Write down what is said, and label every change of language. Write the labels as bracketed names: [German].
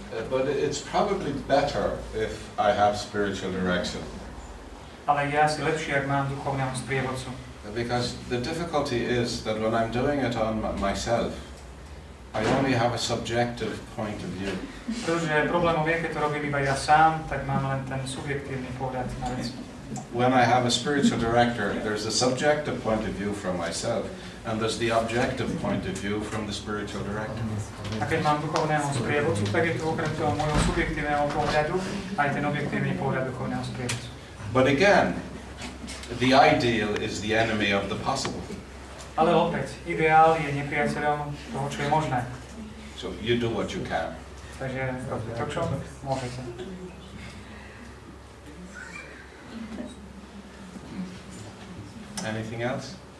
[English] But it's probably better if I have spiritual direction. [Slovak] Ale je asi lepšie, ak mám duchovného sprievodcu. [English] Because the difficulty is that when I'm doing it on myself, I only have a subjective point of view. [Slovak] Pretože problémom je, keď to robím iba ja sám, tak mám len ten subjektívny pohľad na vec. [English] When I have a spiritual director, there's a subjective point of view from myself, and there's the objective point of view from the spiritual director. [Slovak] A keď mám duchovného sprievodcu, tak je to okrem toho môjho subjektívneho pohľadu aj ten objektívny pohľad duchovného sprievodcu. [English] But again, the ideal is the enemy of the possible. [Slovak] Ale opäť, ideál je nepriateľom toho, čo je možné. [English] So you do what you can. [Slovak] Takže to, čo môžete. [English] Anything else?